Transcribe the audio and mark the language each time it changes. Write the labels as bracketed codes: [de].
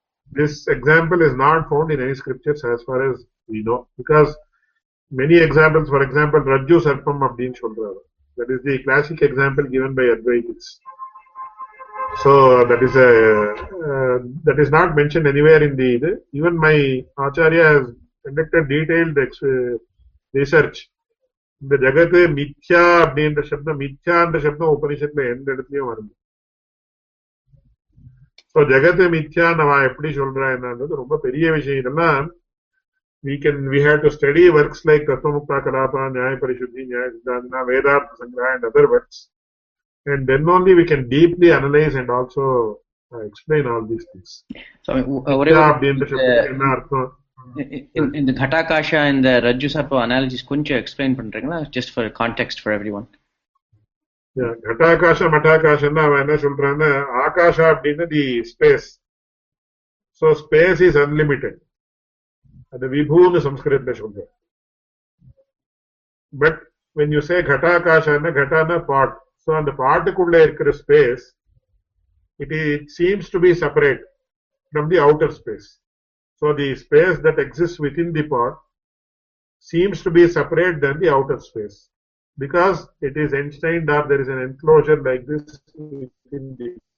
[en] This example is not found in any scriptures as far as we know, because many examples, for example, Rajju Sarpam Abdin Shundra, that is the classic example given by Advaitis. So that is not mentioned anywhere in the even my Acharya has conducted detailed research. [ta] இந்த ஜகத்து மித்யா அப்படின்ற சப்தம் மித்யான்ற சப்தம் உபனிஷத்துல எந்த இடத்துலயும் வருது. ஸோ ஜகத்து மித்யான் அவன் எப்படி சொல்ற என்னன்றது ரொம்ப பெரிய விஷயம். இதெல்லாம் [en] We have to study works like Tattvamukta Kalapa Nyaya Parishuddhi Nyaya Siddhanta Vedartha Sangraha and other works and then only we can deeply analyse and also explain all these things. [ta] அப்படின்ற சப்தம் என்ன அர்த்தம் [en] in the Ghatakasha and the Rajju Sarpa analogies, couldn't you explain, just for context for everyone? [ta] கட்டாகாசம் மட்டாகாசம்னா அவன் என்ன சொல்றான்னா ஆகாஷா அப்படின்னு [en] the space so space is unlimited [ta] அது விபூன்னு சம்ஸ்கிருத்தில் சொல்ற [en] but when you say [ta] கட்டாகாசான்னு Katana [en] pot so [ta] அந்த பாட்டுக்குள்ளே இருக்கிற [en] space it seems to be separate from the outer space so the space that exist within the pot seems to be separate than the outer space because it is enshrined or there is an enclosure like this within the